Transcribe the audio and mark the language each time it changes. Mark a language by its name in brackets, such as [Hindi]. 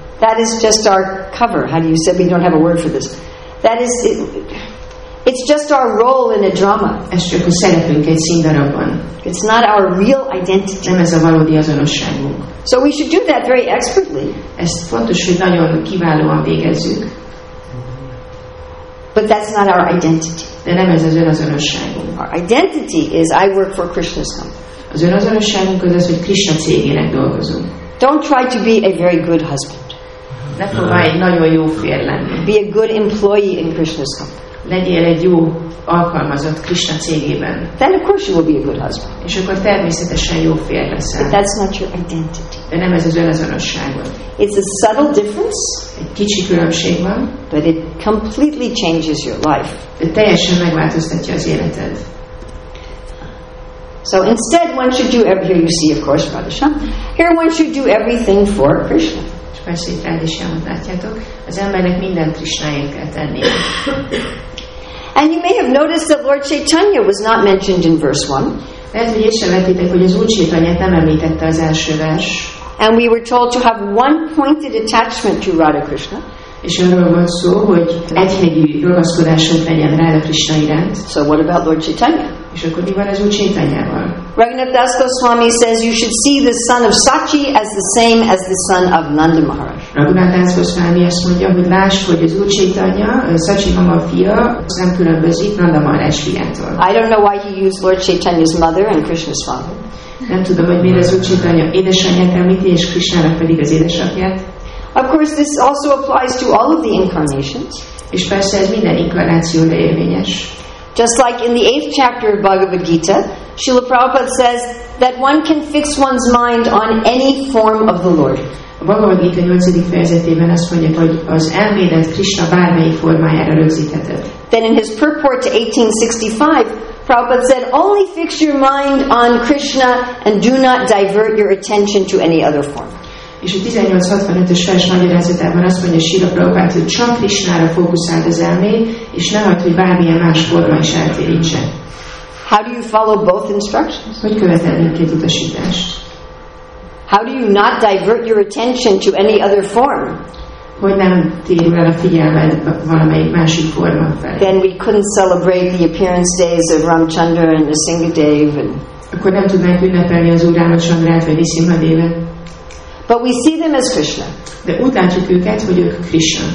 [English] That is just our cover. How do you say? We don't have a word for this. That is, it's just our role in a drama. [Hungarian] Ez csak a szerepünk egy színdarabban. [English] It's not our real identity. [Hungarian] Nem ez a valódi azonosságunk. [English] So we should do that very expertly. [Hungarian] Ezt fontos, hogy nagyon kiválóan végezzük. [English] But that's not our identity. [Hungarian] De nem ez az önazonosságunk. [English] Our identity is I work for Krishna's company. [Hungarian] Az önazonosságunk az, hogy Krishna cégének dolgozunk. [English] Don't try to be a very good husband. [Hungarian] Ne próbálj egy nagyon jó fér lenni. [English] Be a good employee in Krishna's company. [Hungarian] Legyél egy jó alkalmazott Krishna cégében. [English] Then of course you will be a good husband. [Hungarian] És akkor természetesen jó fér leszel. [English] But that's not your identity. [Hungarian] De nem ez az önazonosságod. [English] It's a subtle difference. [Hungarian] Egy kicsi különbség van. [English] But it completely changes your life. [Hungarian] De teljesen megváltoztatja az életed. [English] So instead, one should do here you see, of course, Radhisham. Here one should do everything for Krishna. [Hungarian] És persze itt Radhishamot látjátok, az embernek minden Krishnáért kell tennie. [English] And you may have noticed that Lord Chaitanya was not mentioned in verse 1. [Hungarian] Lehet, hogy észrevettétek, hogy az Úr Chaitanyát nem említette az első vers. [English] And we were told to have one pointed attachment to Radha Krishna. [Hungarian] És arról van szó, hogy egyhegyű ragaszkodásunk legyen rá a Krishna iránt. [English] So what about Lord Chaitanya? [Hungarian] És akkor mi van az Úr Chaitanyával? [English] Raghunath Das Goswami says you should see the son of Sachi as the same as the son of Nanda Maharaj. [Hungarian] Raghunath Das Goswami azt mondja, hogy lásd, hogy az Úr Chaitanya, Sachi Mama fia, nem különbözik Nanda Maharaj fiától. [English] I don't know why he used Lord Chaitanya's mother and Krishna's father. [Hungarian] Nem tudom, hogy miért az Úr Chaitanya édesanyját említi, és Krishnának pedig az édesapját. [English] Of course, this also applies to all of the incarnations. [Hungarian] És persze ez minden inkarnációra érvényes. [English] Just like in the 8th chapter of Bhagavad Gita, Srila Prabhupada says that one can fix one's mind on any form of the Lord. [Hungarian] A Bhagavad Gita 8. fejezetében azt mondja, hogy az elmédet Krishna bármelyik formájára rögzítheted. [English] Then in his purport to 1865, Prabhupada said, only fix your mind on Krishna and do not divert your attention to any other form. [Hungarian] És a 1865-ös vers magyarázatában azt mondja Srila Prabhupada, hogy csak Krishnára fókuszáld az elméd, és ne hagyd, hogy bármilyen más forma is eltérítse. [English] How do you follow both instructions? [Hungarian] Hogy követel mindkét utasítást? [English] How do you not divert your attention to any other form? [Hungarian] Hogy nem térül el a figyelmed valamelyik másik forma felé? [English] Then we couldn't celebrate the appearance days of Ramchandra and Nrisimhadev. [Hungarian] Akkor nem tudnánk ünnepelni az Úr Rámacsandrát vagy Nrisimhadevet. [English] But we see them as Krishna. [Hungarian] De úgy látjuk őket, hogy ők Krishna.